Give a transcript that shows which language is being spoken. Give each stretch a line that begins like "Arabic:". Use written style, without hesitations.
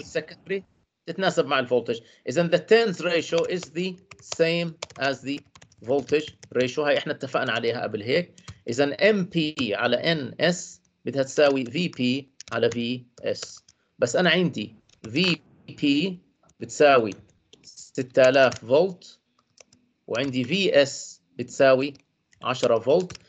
Arabic: السكندري تتناسب مع الفولتج. اذا
English: the turns ratio is the same as the voltage ratio.
Arabic: هاي احنا اتفقنا عليها قبل هيك. اذا MP على NS بدها تساوي VP على VS. بس انا عندي VP بتساوي 6000 فولت وعندي VS بتساوي 10 فولت.